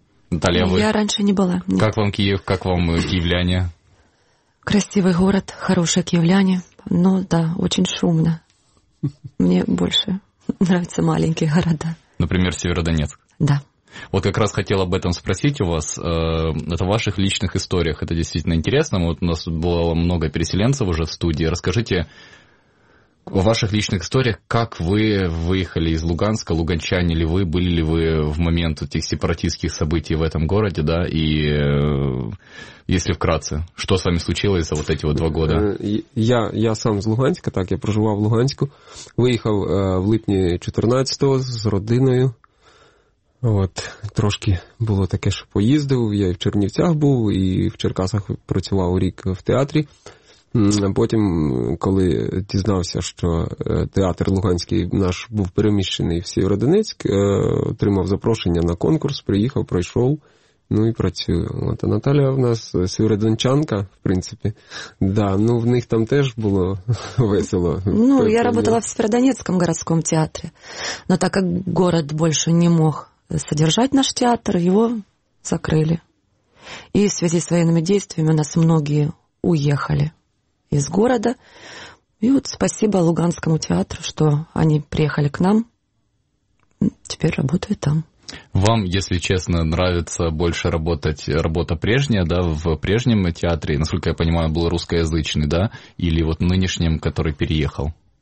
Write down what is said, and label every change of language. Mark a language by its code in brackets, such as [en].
[uk] Далі, ви? Я раніше не була. Як вам Київ? Як вам київляне? Красивий город, хороше київляне. [ru] Ну, да, очень шумно. [uk] Мені більше нравятся маленькі города. Наприклад, Сєвєродонецьк. Да. [ru] Вот как раз хотел об этом спросить у вас, это в ваших личных историях, это действительно интересно, вот у нас было много переселенцев уже в студии, расскажите о ваших личных историях, как вы выехали из Луганска, луганчане ли вы, были ли вы в момент этих сепаратистских событий в этом городе, да, и если вкратце, что с вами случилось за вот эти вот два года? Я сам из Луганска, так, я проживал в Луганске, выехал [uk] в липні 14-го с родиною. От, трошки було таке, що поїздив, я і в Чернівцях був, і в Черкасах працював рік в театрі. Потім, коли дізнався, що театр луганський наш був переміщений в Сєвєродонецьк, отримав запрошення на конкурс, приїхав, пройшов, ну і працюю. От, а Наталя в нас сєвєродончанка, в принципі. Да, ну, в них там теж було весело. Ну, я працювала в Сєвєродонецькому городському театрі, але так як город більше не мог содержать наш театр, [ru] его закрыли. И в связи с военными действиями у нас многие уехали из города. И вот спасибо Луганскому театру, что они приехали к нам. Теперь работаю там. Вам, если честно, нравится больше работать, работа прежняя, да, в прежнем театре, насколько я понимаю, был русскоязычный, да, или вот нынешнем, который переехал?